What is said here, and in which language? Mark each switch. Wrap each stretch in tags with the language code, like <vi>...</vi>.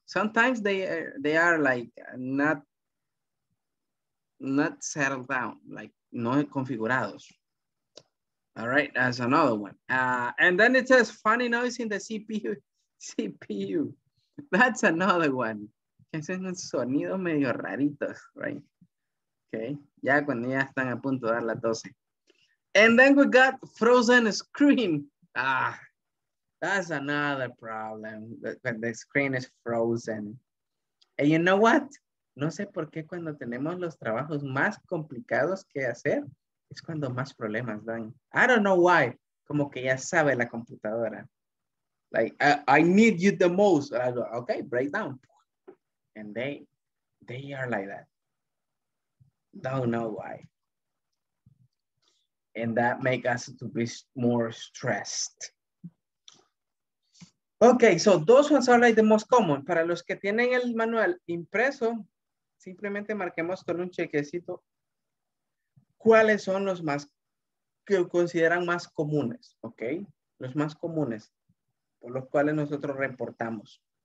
<en>Sometimes they are like not settled down, like</en> <es>no configurados.</es> <en>All right, that's another one. And then it says funny noise in the CPU. That's another one.</en> <es>Que es un sonido medio rarito, right? Okay, ya cuando ya están a punto de dar las 12.</es> <en>And then we got frozen screen. That's another problem, when the screen is frozen. And you know what?</en> <es>No sé por qué cuando tenemos los trabajos más complicados que hacer, es cuando más problemas dan.</es> <en>I don't know why.</en> <es>Como que ya sabe la computadora.</es> <en>Like, I need you the most. I go, okay, break down. And they are like that. Don't know why. And that makes us to be more stressed. Okay, so those ones are like the most common.</en> <es>Para los que tienen el manual impreso, simplemente marquemos con un chequecito cuáles son los más que consideran más comunes, ¿ok? Los más comunes por los cuales nosotros reportamos.</es>